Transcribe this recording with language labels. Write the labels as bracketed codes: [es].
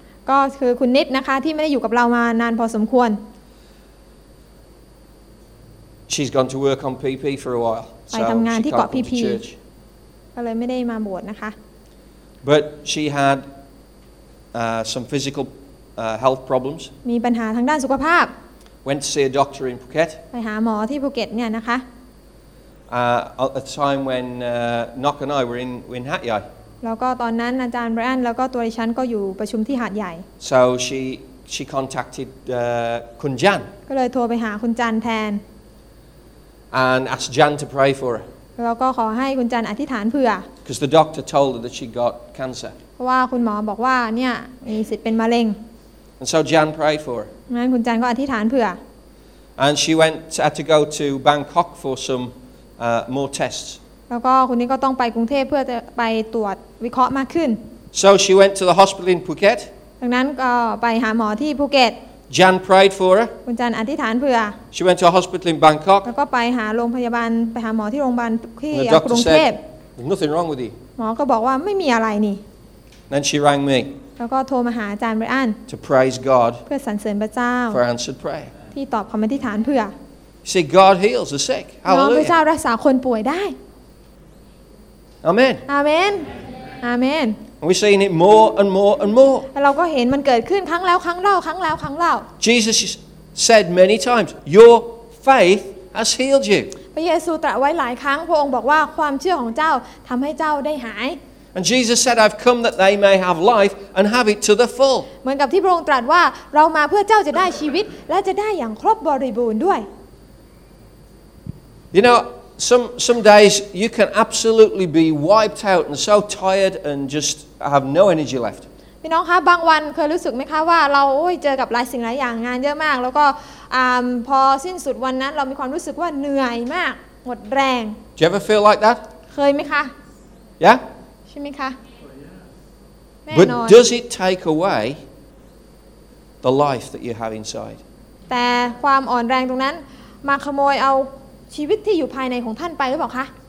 [th] ก็คือคุณนิดนะคะที่ไม่ได้อยู่กับเรามานานพอสมควร [en] She's gone to work on PP for a while. [th] ไปทำงานที่เกาะ PP. ก็เลยไม่ได้มาบวชนะคะ [en] But she had some physical health problems. [th] มีปัญหาทางด้านสุขภาพ [en] Went to see a doctor in Phuket. [th] ไปหาหมอที่ภูเก็ตเนี่ยนะคะ [en] At a time when Nock and I were in Hat Yai. [th] แล้วก็ตอนนั้นอาจารย์ไบรอันแล้วก็ตัวดิฉันก็อยู่ประชุมที่หาดใหญ่ [en] So she contacted Kun Jan. [th] ก็เลยโทรไปหาคุณจันแทน [en] And asked Jan to pray for her. [th] แล้วก็ขอให้คุณจันอธิษฐานเผื่อ [en] Because the doctor told her that she got cancer. [th] เพราะว่าคุณหมอบอกว่าเนี่ยมีสิทธิ์เป็นมะเร็ง [en] And so Jan prayed for her. [th] งั้นคุณจันก็อธิษฐานเผื่อ [en] And she went had to go to Bangkok for some more tests. [th] แล้วก็คุณนี้ก็ต้องไปกรุงเทพเพื่อจะไปตรวจวิเคราะห์มากขึ้น [en] So she went to the hospital in Phuket. [th] ดังนั้นก็ไปหาหมอที่ภูเก็ต [en] Jan prayed for her. [th] คุณจันอธิษฐานเผื่อ [en] She went to a hospital in Bangkok. [th] แล้วก็ไปหาโรงพยาบาลไปหาหมอที่โรงพยาบาลที่กรุงเทพ [en] There's nothing wrong with you. [th] หมอก็บอกว่าไม่มีอะไรนี่ [en] Then she rang me. [th] แล้วก็โทรมาหาอาจารย์ไบรอัน [en] To praise God. [th] เพื่อสรรเสริญพระเจ้า [en] For answered prayer. [th] ที่ตอบคำอธิษฐานเผื่อ [en] See God heals the sick. Hallelujah. [th] พระเจ้ารักษาคนป่วยได้ [en] Amen. Amen. Amen. And we're seeing it more and more and more. [th] เราก็เห็นมันเกิดขึ้นครั้งแล้วครั้งเล่าครั้งแล้วครั้งเล่า [en] Jesus said many times, "Your faith has healed you." [th] พระเยซูตรัสไว้หลายครั้งพระองค์บอกว่าความเชื่อของเจ้าทำให้เจ้าได้หาย [en] And Jesus said, I've come that they may have life and have it to the full. [th] เหมือนกับที่พระองค์ตรัสว่าเรามาเพื่อเจ้าจะได้ชีวิตและจะได้อย่างครบบริบูรณ์ด้วย [en] You know, some days you can absolutely be wiped out and so tired and just have no energy left. [th] พี่น้องคะบางวันเคยรู้สึกไหมคะว่าเราเจอกับหลายสิ่งหลายอย่างงานเยอะมากแล้วก็พอสิ้นสุดวันนั้นเรามีความรู้สึกว่าเหนื่อยมากหมดแรง [en] Do you ever feel like that? [th] เคยไหมคะ [en] Yeah? [th] ใช่ไหมคะ [en] But does it take away the life that you have inside? [th] แต่ความอ่อนแรงตรงนั้นมาขโมยเอาชีวิตที่อยู่ภายในของท่านไปหรือเปล่าคะ